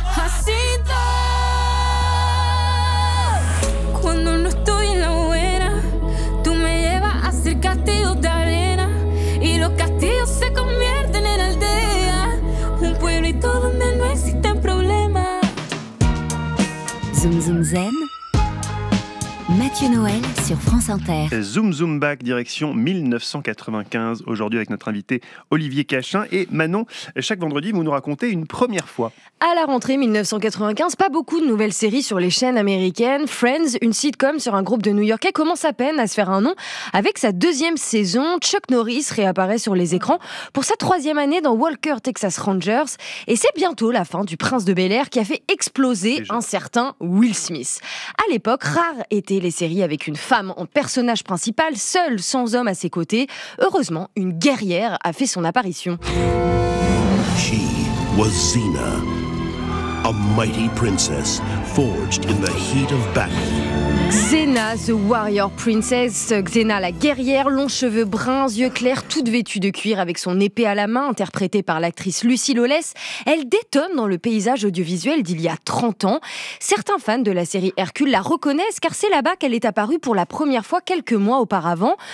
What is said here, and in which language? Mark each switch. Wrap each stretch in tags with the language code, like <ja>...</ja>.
<es>Así todo. Cuando no estoy en la buena, tú me llevas a hacer castillos de arena. Y los castillos se convierten en aldeas. Un pueblito donde no existen problemas.</es> <fr>Zum Zum Zen. Mathieu Noël sur France Inter. Zoom zoom back, direction 1995, aujourd'hui avec notre invité Olivier Cachin. Et Manon, chaque vendredi, vous nous racontez une première fois. À la rentrée 1995, pas beaucoup de nouvelles séries sur les chaînes américaines. Friends, une sitcom sur un groupe de New Yorkais, commence à peine à se faire un nom. Avec sa deuxième saison, Chuck Norris réapparaît sur les écrans pour sa troisième année dans Walker, Texas Rangers. Et c'est bientôt la fin du Prince de Bel-Air qui a fait exploser un certain Will Smith. À l'époque, rare était les séries avec une femme en personnage principal, seule, sans homme à ses côtés. Heureusement, une guerrière a fait son apparition.</fr> <en>She was Xena, a mighty princess forged in the heat of battle.</en> <fr>Xena, the warrior princess, Xena la guerrière, longs cheveux bruns, yeux clairs, toute vêtue de cuir avec son épée à la main, interprétée par l'actrice Lucille Oless, elle détonne dans le paysage audiovisuel d'il y a 30 ans. Certains fans de la série Hercule la reconnaissent car c'est là-bas qu'elle est apparue pour la première fois quelques mois auparavant.</fr>